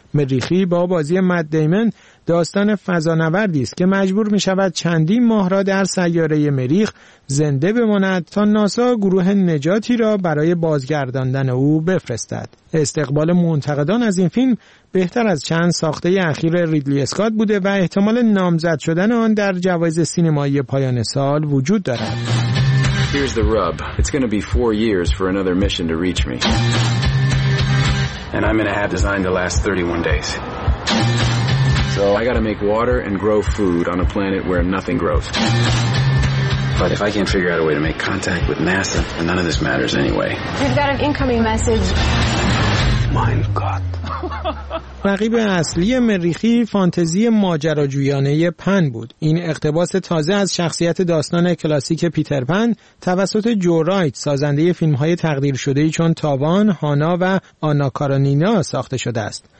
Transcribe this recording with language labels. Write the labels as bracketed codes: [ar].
[fa] مریخی با بازی مت دیمن داستان فضانوردی است که مجبور می شود چندین ماه را در سیاره مریخ زنده بماند تا ناسا گروه نجاتی را برای بازگرداندن او بفرستد. استقبال منتقدان از این فیلم بهتر از چند ساخته اخیر ریدلی اسکات بوده و احتمال نامزد شدن آن در جوایز سینمایی پایان سال وجود دارد. [en] Here's the rub. It's going to be 4 years for another mission to reach me. And I'm in a hat designed to last 31 days. So I gotta make water and grow food on a planet where nothing grows. But if I can't figure out a way to make contact with NASA, then none of this matters anyway. We've got an incoming message. [de] Mein Gott. [fa] رقیب اصلی مریخی فانتزی ماجراجویانه پن بود. این اقتباس تازه از شخصیت داستان کلاسیک پیتر پن توسط جو رایت، سازنده فیلم‌های تقدیر شده‌ای چون تاوان، هانا و آنا کارانینا ساخته شده است.